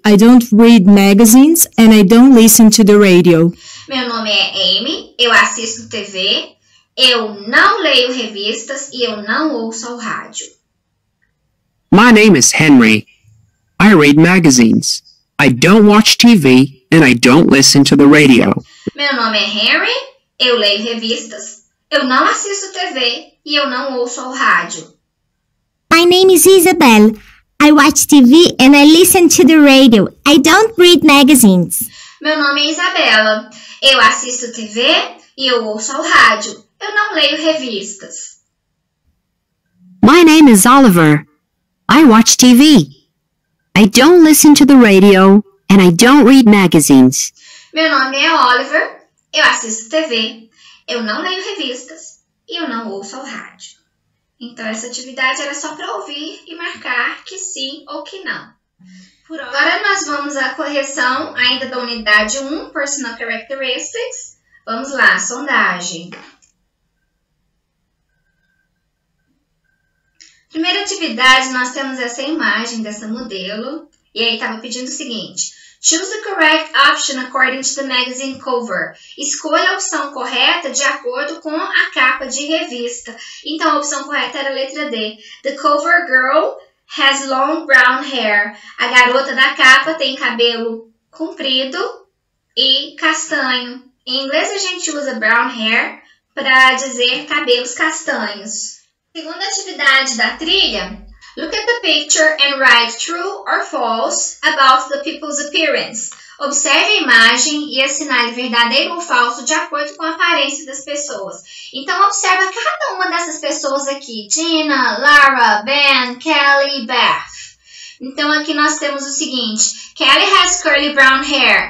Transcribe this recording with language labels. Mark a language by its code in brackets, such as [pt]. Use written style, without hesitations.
[en] I don't read magazines and I don't listen to the radio. [pt] Meu nome é Amy, eu assisto TV, eu não leio revistas e eu não ouço o rádio. [en] My name is Henry. I read magazines. I don't watch TV and I don't listen to the radio. [pt] Meu nome é Harry, eu leio revistas, eu não assisto TV e eu não ouço o rádio. [en] My name is Isabel. I watch TV and I listen to the radio. I don't read magazines. [pt] Meu nome é Isabela, eu assisto TV e eu ouço o rádio, eu não leio revistas. [en] My name is Oliver. I watch TV. I don't listen to the radio and I don't read magazines. [pt] Meu nome é Oliver, eu assisto TV, eu não leio revistas e eu não ouço o rádio. Então, essa atividade era só para ouvir e marcar que sim ou que não. Por agora, nós vamos à correção ainda da unidade 1, Personal Characteristics. Vamos lá, sondagem. Primeira atividade, nós temos essa imagem dessa modelo. E aí, estava pedindo o seguinte. [en] Choose the correct option according to the magazine cover. [pt] Escolha a opção correta de acordo com a capa de revista. Então, a opção correta era a letra D. [en] The cover girl has long brown hair. [pt] A garota da capa tem cabelo comprido e castanho. Em inglês, a gente usa brown hair para dizer cabelos castanhos. Segunda atividade da trilha. [en] Look at the picture and write true or false about the people's appearance. [pt] Observe a imagem e assinale verdadeiro ou falso de acordo com a aparência das pessoas. Então, observa cada uma dessas pessoas aqui: Gina, Lara, Ben, Kelly, Beth. Então, aqui nós temos o seguinte: Kelly [en] has curly brown hair.